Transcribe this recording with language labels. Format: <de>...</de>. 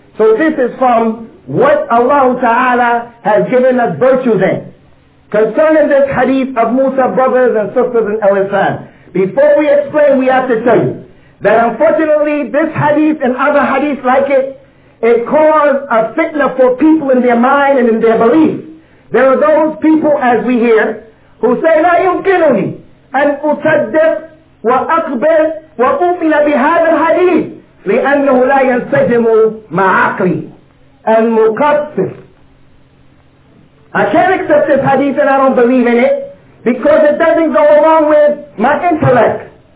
<en>So this is from what Allah Ta'ala has given us virtues in. Concerning this hadith of Musa, brothers and sisters in Al-Islam, before we explain, we have to tell you that unfortunately this hadith and other hadith like it, it caused a fitna for people in their mind and in their belief. There are those people, as we hear, who say,</en> <ar>لا يمكنني أن أصدق وأقبل وأؤمن بهذا الحديث لأنه لا ينسجم مع عقلي المقصف.</ar> <en>I can't accept this hadith and I don't believe in it because it doesn't go along with my intellect.</en>